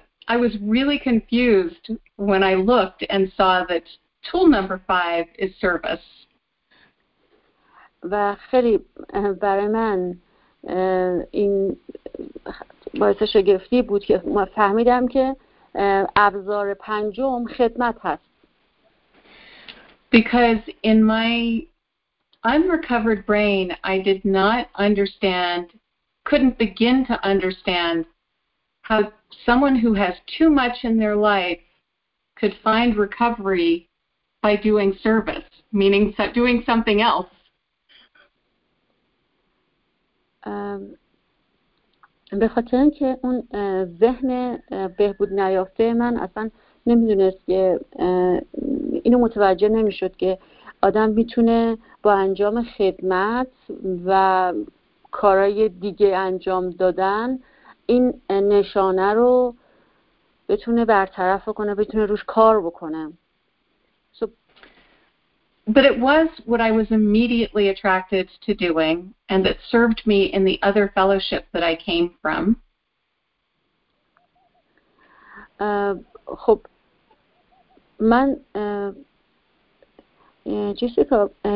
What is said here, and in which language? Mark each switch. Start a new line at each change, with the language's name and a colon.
English: I was really confused when I looked and saw that tool number 5 is service.
Persian: و خیلی برای من این باعث شگفتی بود که من فهمیدم که ابزار پنجم خدمت هست.
English: Because in my unrecovered brain I did not understand, couldn't begin to understand how someone who has too much in their life could find recovery by doing service, meaning doing something else.
Persian: به خاطر این که اون ذهن بهبود نیافته من اصلا نمیدونست که اینو متوجه نمیشد که آدم میتونه با انجام خدمت و کارهای دیگه انجام دادن این نشانه رو بتونه برطرف کنه، بتونه روش کار بکنه.
English: So, but it was what I was immediately attracted to doing and that served me in the other fellowship that I came from.
Persian: خب من جسیکا